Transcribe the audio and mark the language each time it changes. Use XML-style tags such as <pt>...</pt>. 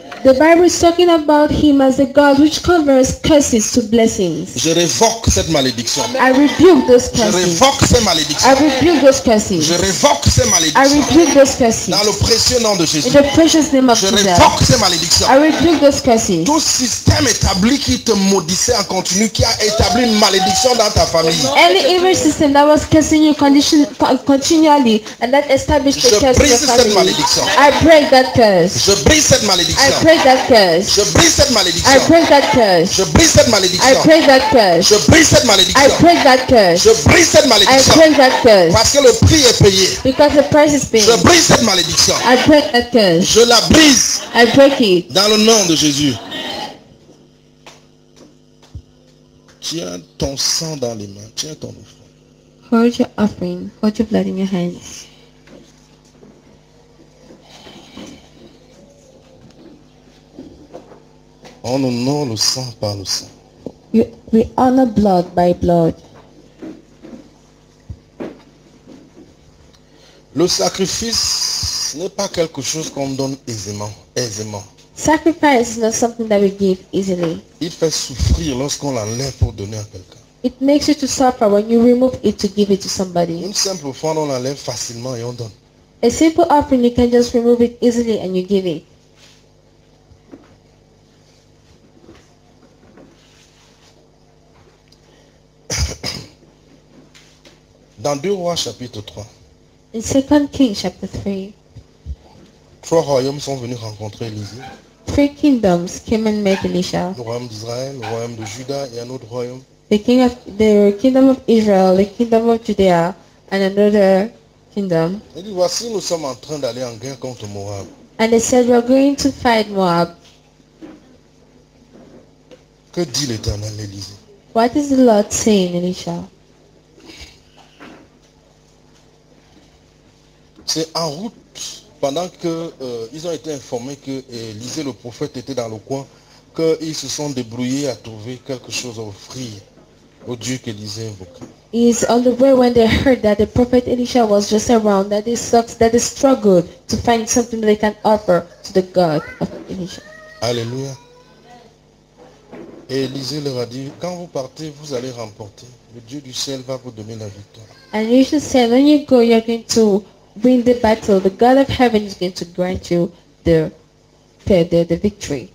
<en>The Bible is talking about him as the God which converts curses to blessings.</en> <fr>Je révoque cette malédiction.</fr> <en>I rebuke those curses.</en> <fr>Je révoque ces malédictions.</fr> <en>I rebuke those curses.</en> <fr>Je révoque ces malédictions.</fr> <en>I rebuke those curses.</en> <fr>Dans le précieux nom de Jésus.</fr> <en>In the precious name of Jesus.</en> <fr>Je révoque ces malédictions.</fr> <en>I rebuke those curses.</en> <fr>Tout système établi qui te maudissait en continu, qui a établi une malédiction dans ta famille.</fr> <en>Any evil system that was cursing you continually and that established a curse in your family.</en> <fr>Je brise cette malédiction.</fr> <en>I break that curse.</en> <fr>Je brise cette malédiction.</fr> <en>break that curse.</en> <fr>Je brise cette malédiction.</fr> <en>I break that curse.</en> <fr>Je brise cette malédiction.</fr> <en>I break that curse.</en> <fr>Je brise cette malédiction.</fr> <en>I break that curse.</en> <fr>Je brise cette malédiction.</fr> <en>I break that curse.</en> <fr>Parce que le prix est payé.</fr> <en>Because the price is paid.</en> <fr>Je brise cette malédiction.</fr> <en>I break that curse.</en> <fr>Je la brise.</fr> <en>I break it.</en> <fr>Dans le nom de Jésus. Tiens ton sang dans les mains. Tiens ton offrande.</fr> <en>Hold your offering. Hold your blood in your hands.</en> <fr>On honore le sang par le sang.</fr> <en>We honor blood by blood.</en> <fr>Le sacrifice n'est pas quelque chose qu'on donne aisément.</fr> <en>Sacrifice is not something that we give easily.</en> <fr>Il fait souffrir lorsqu'on l'enlève pour donner à quelqu'un.</fr> <en>It makes you to suffer when you remove it to give it to somebody.</en> <fr>Une simple offrande, on l'enlève facilement et on donne.</fr> <en>A simple offering, you can just remove it easily and you give it.</en> <fr>Dans 2 Rois chapitre 3.</fr> <en>In 2 Kings chapter 3.</en> <fr>Trois royaumes sont venus rencontrer Élisée.</fr> <en>Three kingdoms came and met Elisha.</en> <fr>Le royaume d'Israël, le royaume de Juda et un autre royaume.</fr> <en>The kingdom of Israel, the kingdom of Judea and another kingdom.</en> <fr>Et dit, voici, nous sommes en train d'aller en guerre contre Moab.</fr> <en>And they said, we are going to fight Moab.</en> <fr>Que dit l'Éternel Élisée?</fr> <en>What is the Lord saying, Elisha?</en> <fr>C'est en route, pendant qu'ils ont été informés que Élisée le prophète était dans le coin, qu'ils se sont débrouillés à trouver quelque chose à offrir au Dieu qu'Élisée invoquait.</fr> <en>It's on the way when they heard that the prophet Elisha was just around, that they sucked, that they struggled to find something they can offer to the God of Elisha. Alléluia.</en> <fr>Et Élisée leur a dit, quand vous partez, vous allez remporter. Le Dieu du ciel va vous donner la victoire.</fr> <en>And you should say, when you go, you're going to win the battle. The God of heaven is going to grant you the victory.</en>